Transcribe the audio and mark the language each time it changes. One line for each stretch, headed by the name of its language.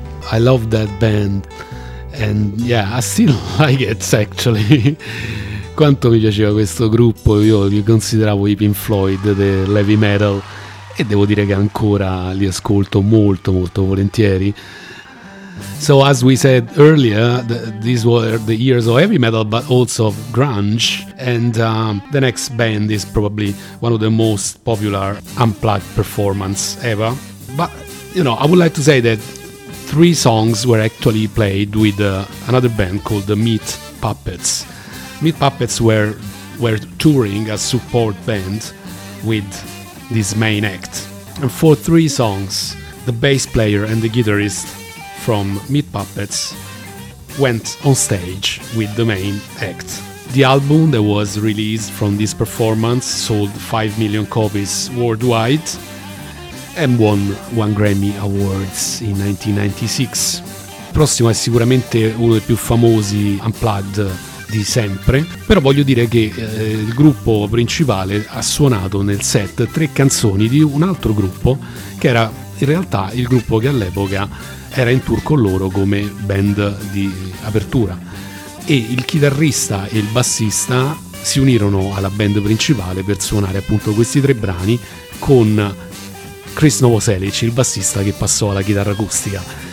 English: I love that band, and yeah, I still like it actually.
Italian: Quanto mi piaceva questo gruppo, io li consideravo i Pink Floyd del heavy metal, e devo dire che ancora li ascolto molto molto volentieri.
English: So as we said earlier, these were the years of heavy metal, but also of grunge. And the next band is probably one of the most popular unplugged performance ever. But, you know, I would like to say that three songs were actually played with another band called the Meat Puppets. Meat Puppets were touring as support band with this main act. And for three songs, the bass player and the guitarist from Meat Puppets went on stage with the main act. The album that was released from this performance sold 5 million copies worldwide and won one Grammy Awards in 1996.
Italian: Prossimo è sicuramente uno dei più famosi unplugged di sempre, però voglio dire che il gruppo principale ha suonato nel set tre canzoni di un altro gruppo che era in realtà il gruppo che all'epoca era in tour con loro come band di apertura, e il chitarrista e il bassista si unirono alla band principale per suonare appunto questi tre brani con Chris Novoselic, il bassista, che passò alla chitarra acustica.